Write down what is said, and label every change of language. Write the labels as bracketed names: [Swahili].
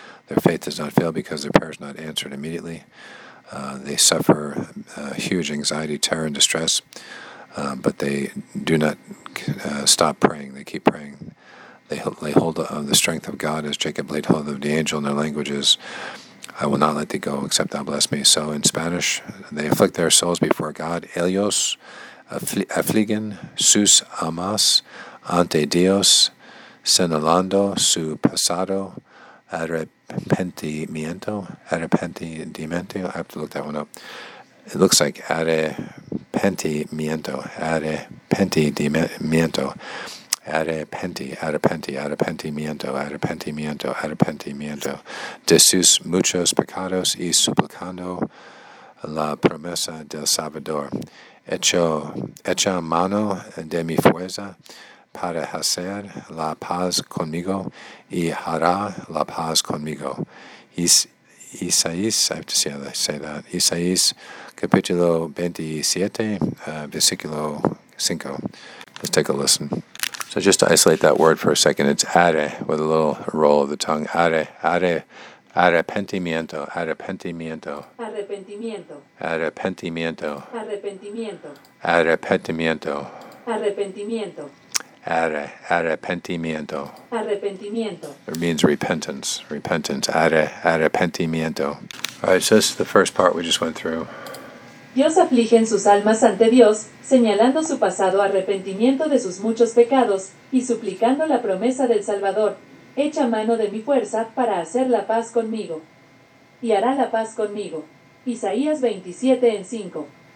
[English] Their faith does not fail because their prayer is not answered immediately. They suffer huge anxiety, terror, and distress, but they do not stop praying. They keep praying. They lay hold of the strength of God as Jacob laid hold of the angel in their languages. I will not let thee go, except thou bless me. So in Spanish, they afflict their souls before God. [Spanish] Ellos afligen sus almas ante Dios, señalando su pasado arrepentimiento. [English] Arrepentimiento. I have to look that one up. It looks like arrepentimiento. Arrepentimiento. [Spanish] Arrepenti, arrepenti, arrepentimiento, arrepentimiento, arrepentimiento. De sus muchos pecados y suplicando la promesa del Salvador. Echa mano de mi fuerza para hacer la paz conmigo y hará la paz conmigo. [English] Isaías, I have to see how they say that. [Spanish] Isaías, capítulo 27, versículo 5. [English] Let's take a listen. So just to isolate that word for a second, it's are with a little roll of the tongue. [Spanish] Are, are, arrepentimiento, arrepentimiento. Arrepentimiento. Arrepentimiento. Arrepentimiento. Arrepentimiento. Arrepentimiento. Are, arrepentimiento. Arrepentimiento. [English] It means repentance, repentance. Are, arrepentimiento. All right, so this is the first part we just went through. [Spanish] Dios aflige en sus almas ante Dios, señalando su pasado arrepentimiento de sus muchos pecados y suplicando la promesa del Salvador, echa mano de mi fuerza para hacer la paz conmigo. Y hará la paz conmigo. Isaías 27 en 5.